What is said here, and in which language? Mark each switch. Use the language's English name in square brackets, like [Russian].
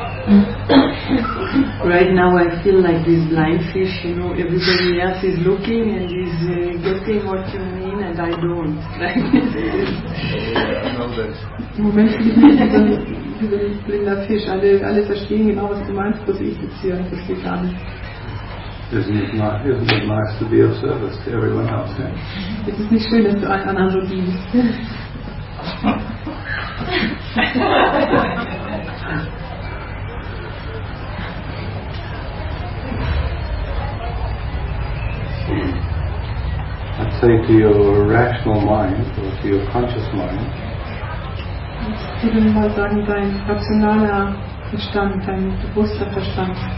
[English] Right now I feel like this blind fish, you know, everybody else is looking and is getting what you mean and I don't. Isn't it nice to be of service to everyone else, then? [German] Es ist nicht schön, dass du allen anderen dienst. [English] I'd say to your rational mind or to your conscious mind. [German] Ich würde mal sagen, dein rationaler Verstand, dein bewusster Verstand.